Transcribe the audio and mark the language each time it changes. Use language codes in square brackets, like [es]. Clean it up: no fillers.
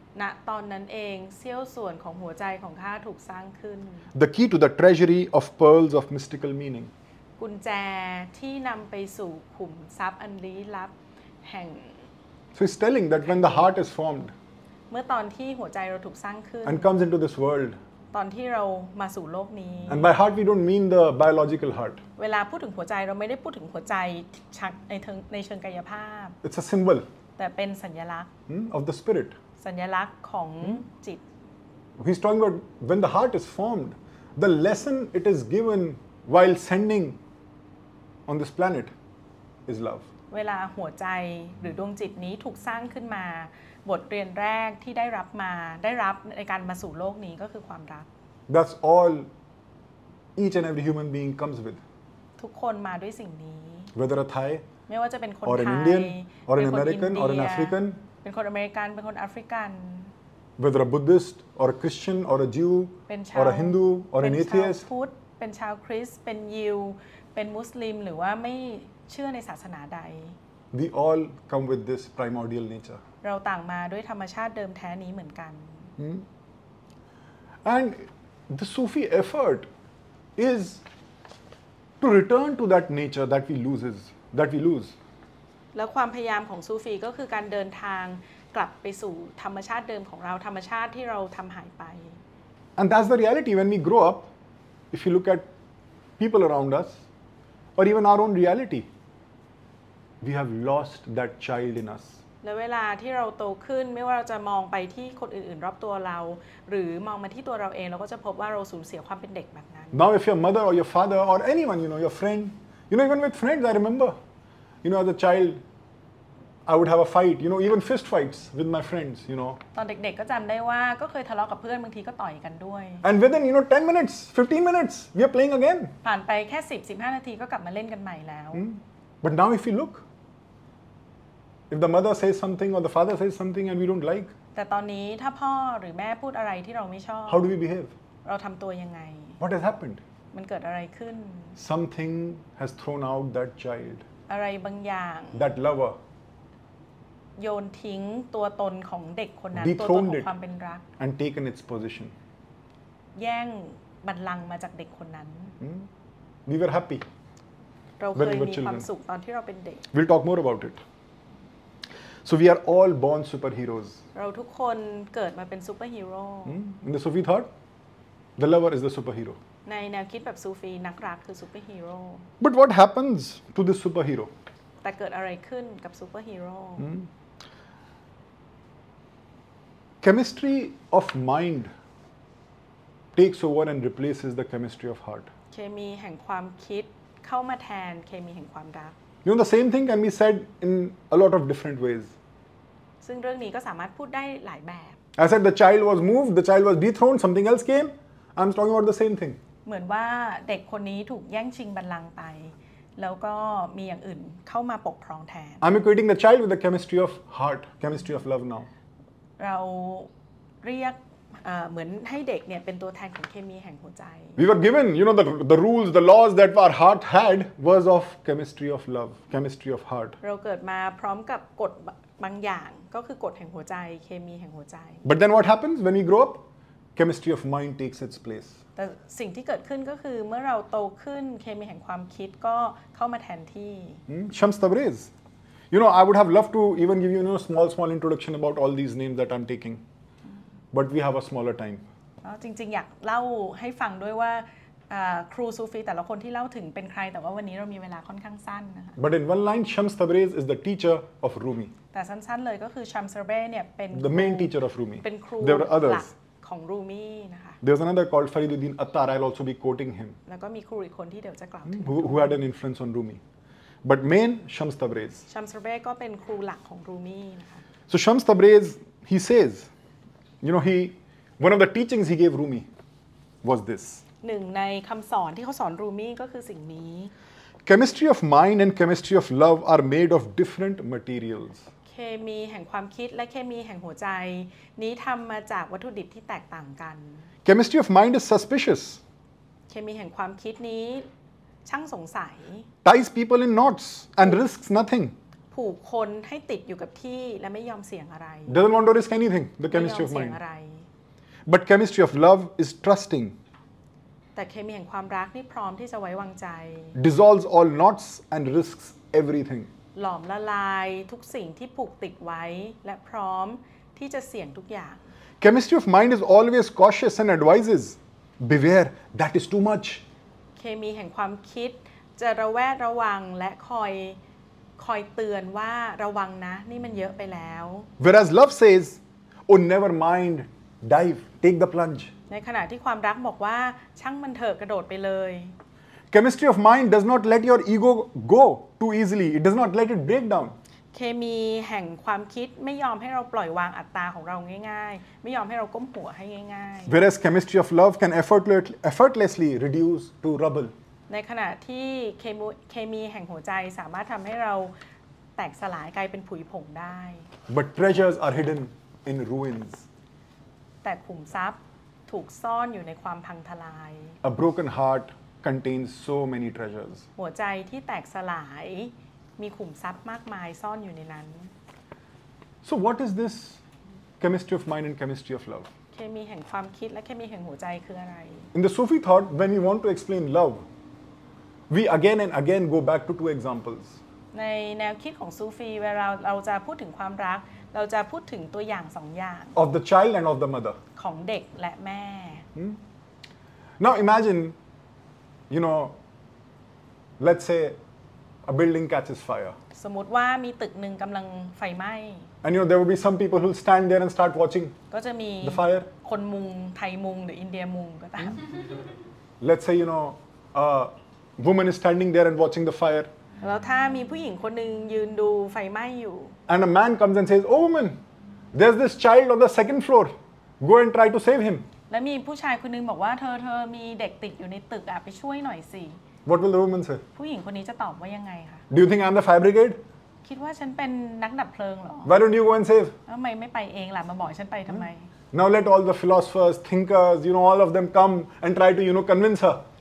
[th] ณตอนนั้นเองเสี้ยวส่วนของหัวใจของข้าถูกสร้างขึ้น [en] The key to the treasury of pearls of mystical meaning. [th] กุญแจที่นำไปสู่ขุมทรัพย์อันลี้ลับแห่ง [en] So he's telling that when the heart is formed. [th] เมื่อตอนที่หัวใจเราถูกสร้างขึ้น [en] And comes into this world. [th] ตอนที่เรามาสู่โลกนี้ [en] And by heart we don't mean the biological heart [th] เวลาพูดถึงหัวใจเราไม่ได้พูดถึงหัวใจในเชิงกายภาพ [en] It's a symbol [th] แต่เป็นสัญลักษณ์ [en] of the spirit [th] สัญลักษณ์ของจิต [en] He's talking about when the heart is formed the lesson it is given while sending on this planet is love [th] เวลาหัวใจหรือดวงจิตนี้ถูกสร้างขึ้นมาบทเรียนแรกที่ได้รับมาได้รับในการมาสู่โลกนี้ก็คือความรัก [en] That's all each and every human being comes with [th] ทุกคนมาด้วยสิ่งนี้ [en] Whether a Thai [th] ไม่ว่าจะเป็นคน ไ ทย [en] Indian, or an American or an African [th] เป็นคนอเมริกันเป็นคนแอฟริกัน [en] Whether a Buddhist or a Christian or a Jew or a Hindu or an atheist [th] เป็นชาวพุทธเป็นชาวคริสเป็นยิวเป็นมุสลิมหรือว่าไม่เชื่อในศาสนาใด [en] We all come with this primordial nature [th] เราต่างมาด้วยธรรมชาติเดิมแท้นี้เหมือนกัน [en] And the Sufi effort is to return to that nature that we lose. [th] แล้วความพยายามของซูฟีก็คือการเดินทางกลับไปสู่ธรรมชาติเดิมของเราธรรมชาติที่เราทำหายไป [en] And that's the reality when we grow up. If you look at people around us, or even our own reality, we have lost that child in us. [th] และเวลาที่เราโตขึ้นไม่ว่าเราจะมองไปที่คนอื่นๆรอบตัวเราหรือมองมาที่ตัวเราเองเราก็จะพบว่าเราสูญเสียความเป็นเด็กแบบนั้น [en] Now if your mother or your father or anyone you know your friend you know even with friends I rememberYou know, as a child, I would have a fight. You know, even fist fights with my friends. You know. [th] ตอนเด็กๆก็จำได้ว่าก็เคยทะเลาะกับเพื่อนบางทีก็ต่อยกันด้วย [en] And within you know 10 minutes, 15 minutes, we are playing again. [th] ผ่านไปแค่10 15นาทีก็กลับมาเล่นกันใหม่แล้ว [en] But now, if you look, if the mother says something or the father says something and we don't like, [th] แต่ตอนนี้ถ้าพ่อหรือแม่พูดอะไรที่เราไม่ชอบ [en] How do we behave? [th] เราทำตัวยังไง [en] What has happened? [th] มันเกิดอะไรขึ้น [en] Something has thrown out that child. [th] อะไรบางอย่าง [en] that lover [th] โยนทิ้งตัวตนของเด็กคนนั้นตัวตนของความเป็นรัก [en] and taken its position [th] แย่งบัลลังก์มาจากเด็กคนนั้น [en] we were happy [th] เราเคยมีความสุขตอนที่เราเป็นเด็ก [en] we'll talk more about it so we are all born superheroes [th] เราทุกคนเกิดมาเป็นซูเปอร์ฮีโร่ [en] in the Sufi thought the lover is the superhero [th] ในแนวคิดแบบซูฟีนักรักคือซูเปอร์ฮีโร่ [en] But what happens to the superhero? [th] แต่เกิดอะไรขึ้นกับซูเปอร์ฮีโร่ [en] Chemistry of mind takes over and replaces the chemistry of heart. [th] เคมีแห่งความคิดเข้ามาแทนเคมีแห่งความรัก [en] You know the same thing can be said in a lot of different ways. [th] ซึ่งเรื่องนี้ก็สามารถพูดได้หลายแบบ [en] I said the child was moved, the child was dethroned, something else came. I'm talking about the same thing. [th] เหมือนว่าเด็กคนนี้ถูกแย่งชิงบัลลังก์ไปแล้วก็มีอย่างอื่นเข้ามาปกครองแทน [en] I'm equating the child with the chemistry of heart, chemistry of love now. [th] เราเรียกเหมือนให้เด็กเนี่ยเป็นตัวแทนของเคมีแห่งหัวใจ [en] We were given, you know, the rules, the laws that our heart had was of chemistry of love, chemistry of heart. [th] เราเกิดมาพร้อมกับกฎบางอย่างก็คือกฎแห่งหัวใจเคมีแห่งหัวใจ [en] But then what happens when we grow up? Chemistry of mind takes its place. [th] แต่สิ่งที่เกิดขึ้นก็คือเมื่อเราโตขึ้นเคมีแห่งความคิดก็เข้ามาแทนที่ [en] Shams Tabriz. You know, I would have loved to even give you, you know, small introduction about all these names that I'm taking. But we have a smaller time. [th] จริงๆอยากเล่าให้ฟังด้วยว่าครูซูฟีแต่ละคนที่เล่าถึงเป็นใครแต่ว่าวันนี้เรามีเวลาค่อนข้างสั้นนะคะ [en] But in one line, Shams Tabriz is the teacher of Rumi. [th] แต่สั้นๆเลยก็คือชัมส์ตะเบรซเนี่ยเป็น [en] The main teacher of Rumi. [th] เป็นครู [en] There are others. [th] ของรูมีนะคะ [en] There's another called Fariduddin Attar I'll also be quoting him [th] แล้วก็มีครูอีกคนที่เดี๋ยวจะกล่าวถึง [en] who had an influence on Rumi but main Shams Tabriz [th] Shams Tabriz ก็เป็นครูหลักของรูมีนะคะ [en] So Shams Tabriz he says you know he one of the teachings he gave Rumi was this [th] หนึ่งในคำสอนที่เขาสอนรูมีก็คือสิ่งนี้ [en] Chemistry of mind and chemistry of love are made of different materials [th] เคมีแห่งความคิดและเคมีแห่งหัวใจนี้ทำมาจากวัตถุดิบที่แตกต่างกัน [en] Chemistry of mind is suspicious [th] เคมีแห่งความคิดนี้ช่างสงสัย [en] Ties people in knots and risks nothing [th] ผูกคนให้ติดอยู่กับที่และไม่ยอมเสี่ยงอะไร [en] Doesn't want to risk anything the chemistry of mind [th] ไม่ยอมเสี่ยงอะไร [en] But chemistry of love is trusting [th] แต่เคมีแห่งความรักนี่พร้อมที่จะไว้วางใจ [en] Dissolves all knots and risks everything [th] หลอมละลายทุกสิ่งที่ผูกติดไว้และพร้อมที่จะเสี่ยงทุกอย่าง [en] Chemistry of mind is always cautious and advises beware that is too much [th] เคมีแห่งความคิดจะระแวดระวังและคอยเตือนว่าระวังนะนี่มันเยอะไปแล้ว [en] Whereas love says oh never mind dive take the plunge [th] ในขณะที่ความรักบอกว่าช่างมันเถอะกระโดดไปเลย [en] Chemistry of mind does not let your ego go too easily. It does not let it break down. [th] เคมีแห่งความคิดไม่ยอมให้เราปล่อยวางอัตตาของเราง่ายๆไม่ยอมให้เราก้มหัวให้ง่าย [en] ๆ Whereas chemistry of love can effortlessly reduce to rubble. [th] ในขณะที่เคมีแห่งหัวใจสามารถทำให้เราแตกสลายกลายเป็นผุยผงได้ [en] But treasures are hidden in ruins. [th] แต่ขุมทรัพย์ถูกซ่อนอยู่ในความพังทลาย [en] A broken heartcontains so many treasures [th] หัวใจที่แตกสลายมีขุมทรัพย์มากมายซ่อนอยู่ในนั้น [en] So what is this chemistry of mind and chemistry of love [th] เคมีแห่งความคิดและเคมีแห่งหัวใจคืออะไร [en] In the Sufi thought when we want to explain love we again and again go back to two examples [th] ในแนวคิดของซูฟีเราจะพูดถึงความรักเราจะพูดถึงตัวอย่าง2อย่าง [en] of the child and of the mother [th] ของเด็กและแม่ [en] Now imagine you know let's say a building catches fire [th] สมมติว่ามีตึกนึงกำลังไฟไหม [en] And you know there will be some people who stand there and start watching [th] ก็จะมี [en] the fire [th] คนมุงไทยมุงหรืออินเดียมุงก็ตาม [en] Let's say you know a woman is standing there and watching the fire [th] แล้วถ้ามีผู้หญิงคนหนึ่งยืนดูไฟไหม้อยู่ [en] and a man comes and says oh woman there's this child on the second floor go and try to save him [th] และมีผู้ชายคนหนึ่งบอกว่าเธอมีเด็กติดอยู่ในตึกอะไปช่วยหน่อยสิ [en] what will the woman say [th] ผู้หญิงคนนี้จะตอบว่ายังไงคะ [en] do you think I'm the fire brigade [th] คิดว่าฉันเป็นนักดับเพลิงหรอ [en] why don't you go and save [th] ทำไมไม่ไปเองล่ะมาบอกฉันไปทำไม [en] now let all the philosophers thinkers you know all of them come and try to you know convince her